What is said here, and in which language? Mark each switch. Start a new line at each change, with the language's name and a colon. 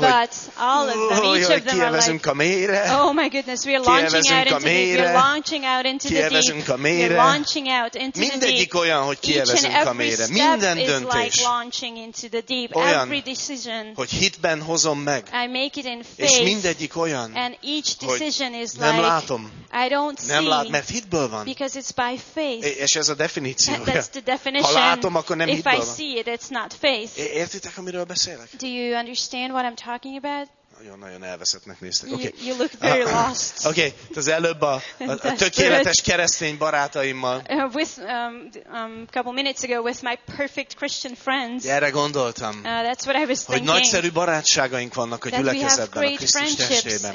English: but all of them, each of them are like, oh my goodness, we are launching out into the deep. We are launching out into the deep.
Hungarian: Mindegyik olyan, hogy kievezünk a mélyre. Minden döntés. Olyan, hogy hitben hozom meg.
English: I make it in faith.
Hungarian: És mindegyik olyan,
English: and each decision is like,
Hungarian: nem látom.
English: I don't see.
Hungarian: Nem látom, mert hitből van.
English: Because it's by faith.
Hungarian: És ez a definíció.
English: That's the definition.
Hungarian: Ha látom, akkor nem hitből van.
English: If I see it, it's not faith.
Hungarian: Értitek, amiről beszélek?
English: Do you understand what I'm talking about?
Hungarian: Nagyon-nagyon elveszettnek néztek.
English: Okay. You look very lost.
Hungarian: Okay, az előbb a tökéletes keresztény barátaimmal.
English: With couple minutes ago with my perfect Christian friends.
Hungarian: Erre gondoltam.
English: That's what I was thinking.
Hungarian: Hogy nagyszerű barátságaink vannak a gyülekezetben, a Krisztus testében.